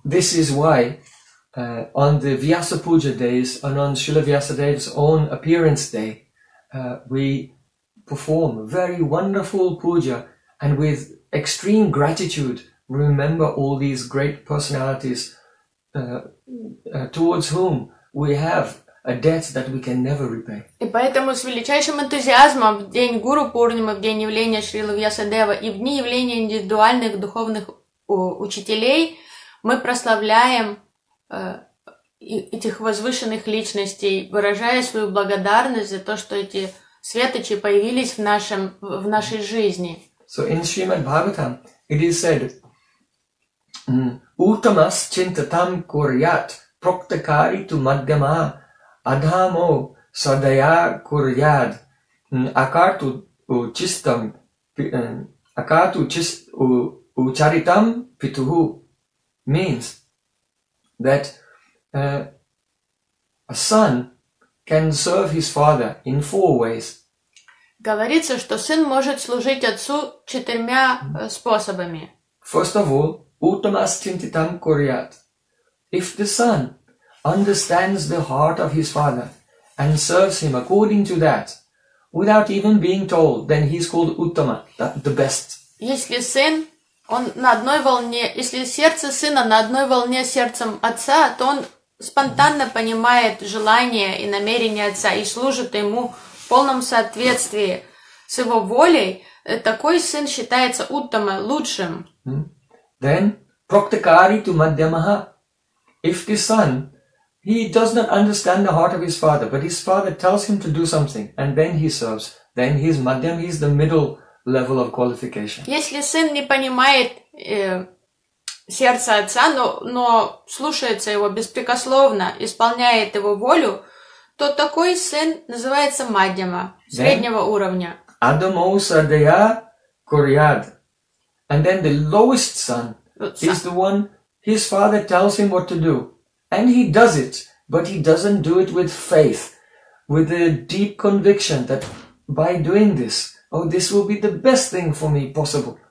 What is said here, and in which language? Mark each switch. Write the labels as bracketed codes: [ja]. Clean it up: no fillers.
[en] This is why on the Vyasa Puja days and on Srila Vyasadeva's own appearance day, we perform very wonderful puja and with extreme gratitude remember all these great personalities towards whom we have a debt that we can never repay. [ru] И поэтому с величайшим энтузиазмом в день Гуру Пурнимы, в день явления Шрилы Вьясадева и в дни явления индивидуальных духовных учителей мы прославляем этих возвышенных личностей, выражая свою благодарность за то, что эти светочи появились в нашей жизни. [en] So in Srimad Bhagavatam it is said, [sa] Utamas chintatam kuryat proktakari tu madgama adhamo sadaya kuryad akartu uchistam akartu ucharitam pituhu [en] means that a son can serve his father in four ways. [ru] Говорится, что сын может служить отцу четырьмя способами. [en] First of all, [sa] utamas chintitam kuryat. [en] If the son understands the heart of his father and serves him according to that, without even being told, then he is called uttama, the best. [ru] Если сын он на одной волне, если сердце сына на одной волне с сердцем отца, то он спонтанно понимает желание и намерение отца и служит ему в полном соответствии с его волей, такой сын считается уттама, лучшим. [sa] Then, praktikari tu madhyamaha. [en] If the son, he does not understand the heart of his father, but his father tells him to do something, and then he serves, then he is madhyam, he is the middle level of qualification. [ru] Если сын не понимает сердце отца, но слушается его беспрекословно, исполняет его волю, то такой сын называется мадьяма, среднего уровня. [sa] Адамо садая курьяд. [en] And then the lowest son is the one, his father tells him what to do. And he does it, but he doesn't do it with faith, with a deep conviction that by doing this, oh, this will be the best thing for me possible.